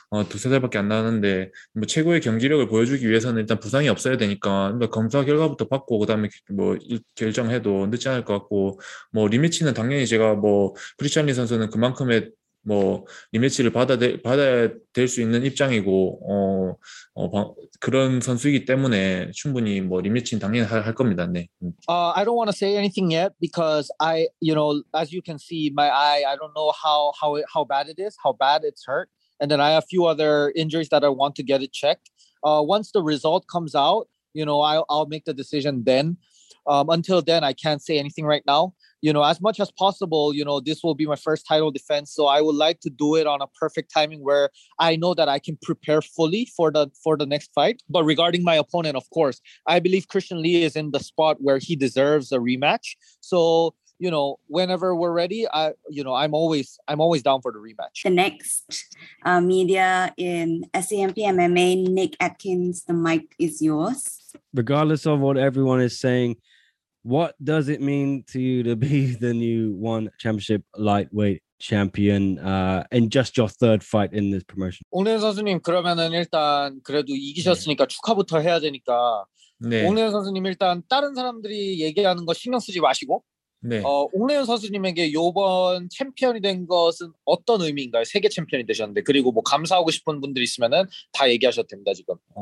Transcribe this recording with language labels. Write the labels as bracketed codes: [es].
[ko] 두세 달밖에 안 나는데 뭐 최고의 경기력을 보여주기 위해서는 일단 부상이 없어야 되니까 일단 검사 결과부터 받고 그다음에 뭐 결정해도 늦지 않을 것 같고 뭐 리매치는 당연히 제가 뭐 크리스찬리 선수는 그만큼의 뭐 리매치를 받아야 될 수 있는 입장이고 그런 선수이기 때문에 충분히 뭐 리매치는 당연히 할 겁니다. 네. [en] I don't want to say anything yet because I, you know, as you can see my eye, I don't know how bad it is, how bad it's hurt. And then I have a few other injuries that I want to get it checked. Once the result comes out, you know, I'll make the decision then. Until then, I can't say anything right now. You know, as much as possible, you know, this will be my first title defense. So I would like to do it on a perfect timing where I know that I can prepare fully for the next fight. But regarding my opponent, of course, I believe Christian Lee is in the spot where he deserves a rematch. So, you know, whenever we're ready, I'm always down for the rematch. The next media in SCMP MMA, Nick Atkins, the mic is yours. Regardless of what everyone is saying, what does it mean to you to be the new ONE Championship lightweight champion in just your third fight in this promotion? [ko] 옥래현 선수님 그러면은 일단 그래도 이기셨으니까 네. 축하부터 해야 되니까 네. 옥래현 선수님 일단 다른 사람들이 얘기하는 거 신경 쓰지 마시고 네. 옥래현 선수님에게 이번 챔피언이 된 것은 어떤 의미인가요? 세계 챔피언이 되셨는데 그리고 뭐 감사하고 싶은 분들이 있으면은 다 얘기하셔도 됩니다 지금.